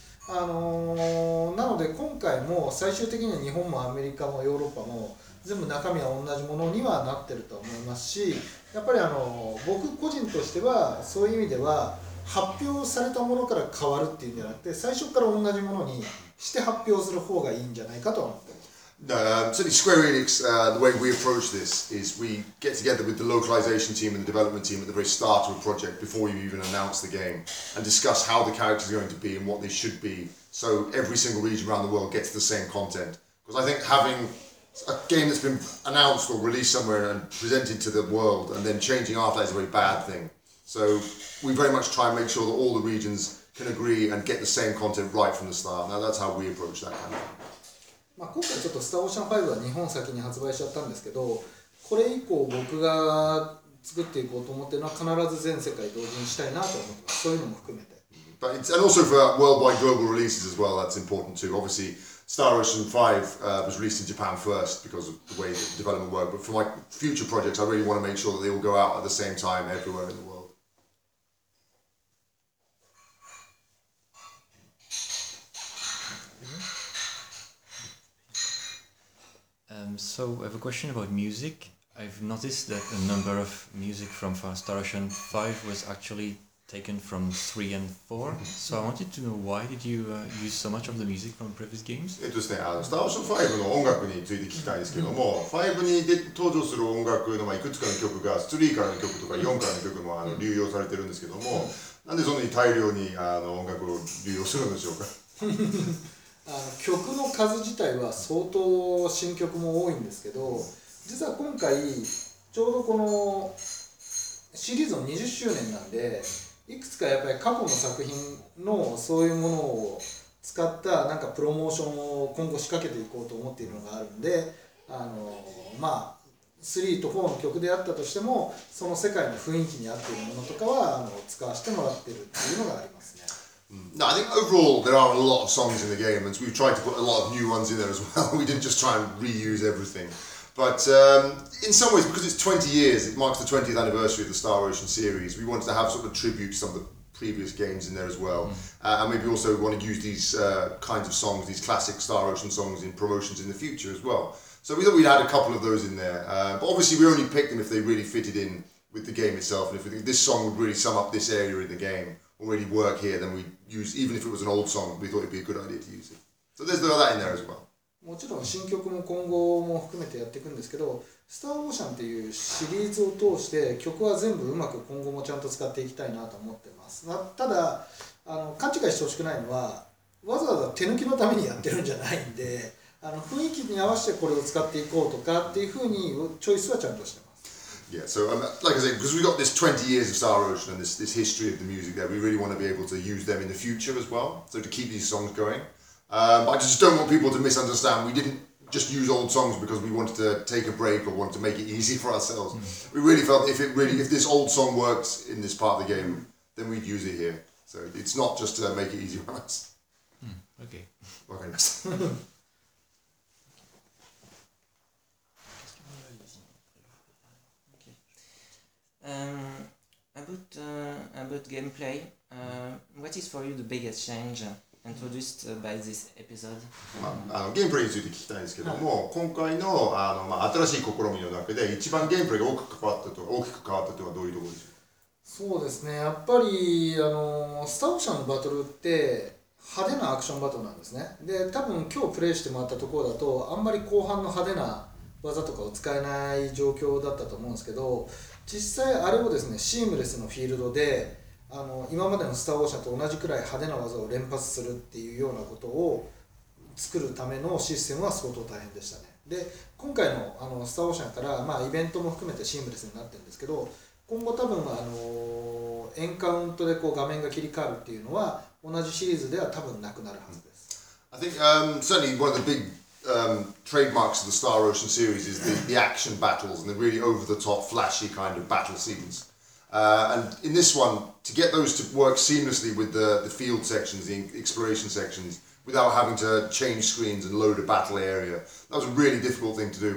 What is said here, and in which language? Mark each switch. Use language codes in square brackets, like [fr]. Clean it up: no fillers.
[ja] なので今回も最終的には日本もアメリカもヨーロッパも全部中身は同じものにはなってると思いますし、やっぱり僕個人としてはそういう意味では発表されたものから変わるっていうんじゃなくて、最初から同じものにして発表する方がいいんじゃないかと思ってます。 [en] Certainly Square Enix, the way we approach this is we get together with the localization team and the development team at the very start of a project before you even announce the game and discuss how the characters are going to be and what they should be, so every single region around the world gets the same content. Because I think having a game that's been announced or released somewhere and presented to the world and then changing after that is a very bad thing. So we very much try and make sure that all the regions can agree and get the same content right from the start. Now that's how we approach that kind of thing. [ja] まあ今回ちょっとスターオーシャン5は日本先に発売しちゃったんですけど、これ以降僕が作っていこうと思っているのは必ず全世界同時にしたいなと思ってます。そういうのも含めて。 [en] But it's, and also for worldwide global releases as well, that's important too. Obviously, Star Ocean 5 was released in Japan first because of the way the development worked. But for my future projects, I really want to make sure that they all go out at the same time everywhere in the world. So I have a question about music. I've noticed that a number of music from Star Ocean 5 was actually taken from 3 and 4. So I wanted to know why did you use so much of the music from previous games? [ja] Star Ocean 5 の音楽について聞きたいんですけども、5に登場する音楽のいくつかの曲が3からの曲とか4からの曲も流用されてるんですけども、なんでそんなに大量に音楽を流用するんでしょうか？曲の数自体は相当新曲も多いんですけど、実は今回ちょうどこのシリーズの20周年なんで、いくつかやっぱり過去の作品のそういうものを使ったなんかプロモーションを今後仕掛けていこうと思っているのがあるんで、まあ3と4の曲であったとしてもその世界の雰囲気に合っているものとかは使わせてもらってるっていうのがありますね。 [en] No, I think overall there are a lot of songs in the game, and we've tried to put a lot of new ones in there as well. We didn't just try and reuse everything. But in some ways, because it's 20 years, it marks the 20th anniversary of the Star Ocean series, we wanted to have sort of a tribute to some of the previous games in there as well. And maybe also we want to use these kinds of songs, these classic Star Ocean songs in promotions in the future as well. So we thought we'd add a couple of those in there. But obviously we only picked them if they really fitted in with the game itself, and if we think this song would really sum up this area in the game. Already work here, then we use even if it was an old song, we thought it'd be a good idea to use it. So there's that in there as well. [ja] もちろん新曲も今後も含めてやっていくんですけど、スターオーシャンっていうシリーズを通して曲は全部うまく今後もちゃんと使っていきたいなと思ってます。まあ、ただ勘違いしてほしくないのは、わざわざ手抜きのためにやってるんじゃないんで、雰囲気に合わせてこれを使っていこうとかっていうふうにチョイスはちゃんとしてます。 [en] Yeah, so like I said, because we've got this 20 years of Star Ocean and this history of the music there, we really want to be able to use them in the future as well, so to keep these songs going. I just don't want people to misunderstand, we didn't just use old songs because we wanted to take a break or wanted to make it easy for ourselves. Mm-hmm. We really felt if this old song works in this part of the game, then we'd use it here. So it's not just to make it easy for us. Okay. Okay. About gameplay, what is for you the biggest change introduced by this episode? [ja] ゲームプレイについて聞きたいんですけども、今回の新しい試みの中で一番ゲームプレイが大きく変わったと大きく変わったとはどういうところでしょう？そうですね、やっぱりスターオーシャンのバトルって派手なアクションバトルなんですね。で、多分今日プレイしてもらったところだとあんまり後半の派手な技とかを使えない状況だったと思うんですけど、実際あれをですね、シームレスのフィールドで今までのスターオーシャンと同じくらい派手な技を連発するっていうようなことを作るためのシステムは相当大変でしたね。で、今回のスターオーシャンから、まあ、イベントも含めてシームレスになってるんですけど、今後多分エンカウントでこう画面が切り替わるっていうのは同じシリーズでは多分なくなるはずです。 [en] I think certainly one of the big trademarks of the Star Ocean series is the action battles and the really over the top flashy kind of battle scenes. And in this one, to get those to work seamlessly with the field sections, the exploration sections, without having to change screens and load a battle area, that was a really difficult thing to do.